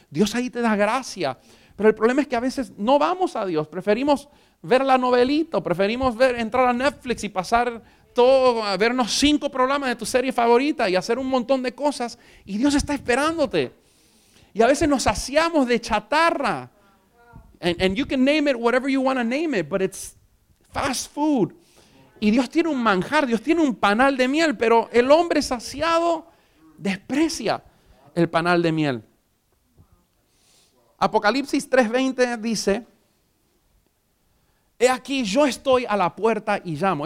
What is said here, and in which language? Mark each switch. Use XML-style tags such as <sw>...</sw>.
<es>Dios ahí te da gracia. Pero el problema es que a veces no vamos a Dios, preferimos ver la novelita, preferimos entrar a Netflix y pasar todo, a vernos 5 programas de tu serie favorita y hacer un montón de cosas, y Dios está esperándote. Y a veces nos saciamos de chatarra.</es> <en>And you can name it whatever you want to name it, but it's fast food.</en> <es>Y Dios tiene un manjar, Dios tiene un panal de miel, pero el hombre saciado desprecia el panal de miel. Apocalipsis 3:20 dice, he aquí, yo estoy a la puerta y llamo.</es>